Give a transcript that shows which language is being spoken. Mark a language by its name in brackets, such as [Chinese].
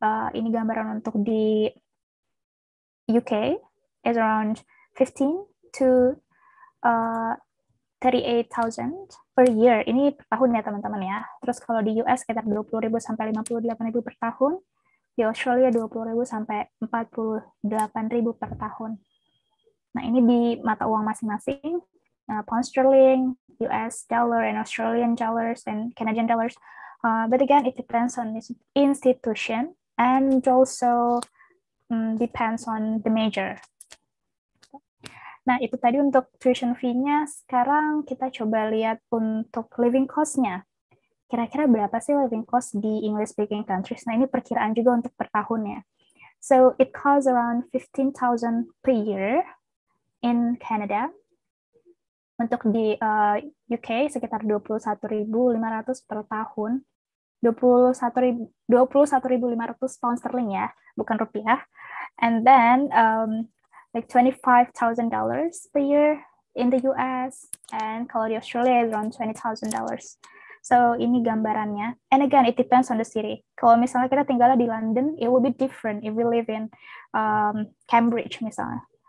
[Indonesian] Ini gambaran untuk di UK, [English] it's around 15 to 38,000 per year. [Indonesian] Ini per tahun ya, teman-teman ya. Terus kalau di US sekitar 20.000 sampai 58.000 per tahun. Di Australia 20.000 sampai 48.000 per tahun. Nah, ini di mata uang masing-masing. [English] Pound sterling, US dollar, and Australian dollars, and Canadian dollars. But again, it depends on this institution, and also depends on the major. [Indonesian] Nah, itu tadi untuk tuition fee-nya. Sekarang kita coba lihat untuk living cost-nya. Kira-kira berapa sih living cost di English-speaking countries? Nah, ini perkiraan juga untuk per tahunnya. [English] So, it costs around 15,000 per year in Canada. [Indonesian] Untuk di UK, sekitar 21.500 per tahun. 21.500 pound sterling ya, bukan rupiah. [English] And then, like $25,000 per year in the US. [Indonesian] And kalau di Australia, around $20,000. So, ini gambarannya. [English] And again, it depends on the city. [Indonesian] Kalau misalnya kita tinggal di London, [English] it will be different if we live in Cambridge, [Indonesian] misalnya.